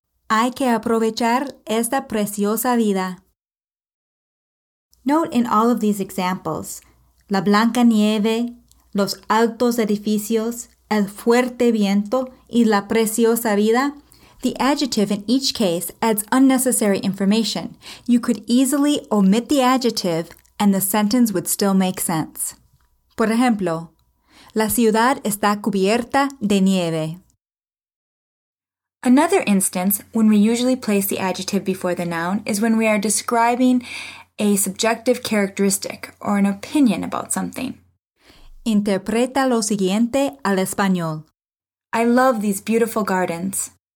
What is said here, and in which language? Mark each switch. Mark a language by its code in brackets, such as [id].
[es] Hay que aprovechar esta preciosa vida. [en] Note in all of these examples, [es] la blanca nieve, los altos edificios, el fuerte viento y la preciosa vida, [en] the adjective in each case adds unnecessary information. You could easily omit the adjective and the sentence would still make sense. [es] Por ejemplo, la ciudad está cubierta de nieve. [en] Another instance when we usually place the adjective before the noun is when we are describing a subjective characteristic or an opinion about something. [es] Interpreta lo siguiente al español. [en] I love these beautiful gardens.